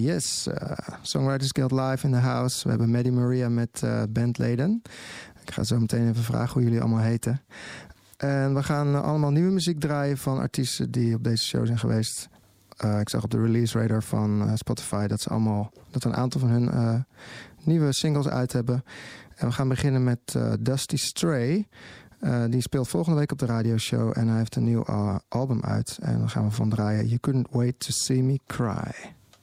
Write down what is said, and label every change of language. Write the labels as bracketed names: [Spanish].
[English] Yes, Songwriters Guild live in the house. [Dutch] We hebben Maddie Maria met bandleden. Ik ga zo meteen even vragen hoe jullie allemaal heten. En we gaan allemaal nieuwe muziek draaien van artiesten die op deze show zijn geweest. Ik zag op de release radar van Spotify dat ze allemaal dat een aantal van hun nieuwe singles uit hebben. En we gaan beginnen met Dusty Stray. Die speelt volgende week op de radioshow en hij heeft een nieuw album uit. En daar gaan we van draaien. [English] You Couldn't Wait to See Me Cry.